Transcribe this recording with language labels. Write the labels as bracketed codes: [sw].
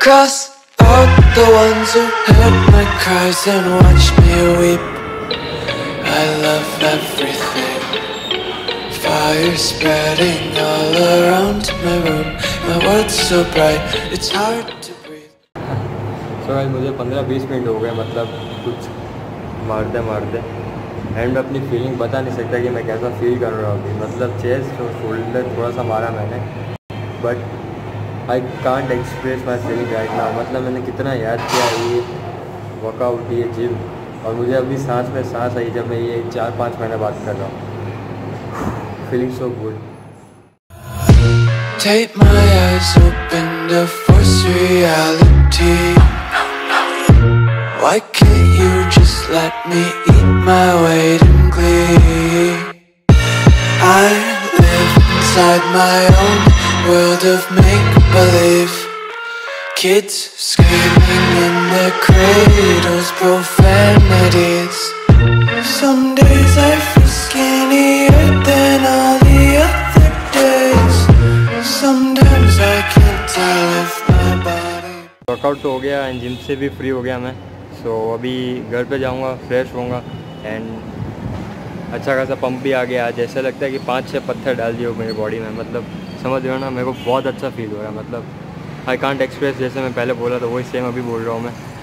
[en] Cross out the ones who heard my cries and watched me weep. I love everything. Fire spreading all around my room. My world's so bright, it's hard to breathe. So guys, [hi] मुझे 15-20 minute हो गए, मतलब कुछ मारते मारते and अपनी feeling बता नहीं सकता कि मैं कैसा फील कर रहा हूँ अभी। मतलब चेस्ट और शोल्डर थोड़ा सा मारा मैंने, [en] But I can't express my feeling right now. [hi] मतलब मैंने कितना याद किया ये वर्कआउट, ये जिम, और मुझे अभी सांस में सांस आई जब मैं ये 4-5 महीने बात कर रहा हूँ। [en] Feeling so good. Take my eyes open to force reality. Why can't you just let me eat my weight in glee? I live inside my own world of make-believe. Kids screaming in their cradles, profanities. Some days I feel skinnier than all the other days. Sometimes I can't tell if my body. [hi] Workout तो हो गया and gym से भी free हो गया मैं, तो अभी घर पे जाऊंगा, फ्रेश होऊंगा एंड अच्छा खासा पंप भी आ गया आज। ऐसा लगता है कि 5-6 पत्थर डाल दिए मेरे बॉडी में। मतलब समझ रहे हो ना, मेरे को बहुत अच्छा फील हो रहा है। मतलब [en] I can't express, [hi] जैसे मैं पहले बोला था वही सेम अभी बोल रहा हूँ मैं।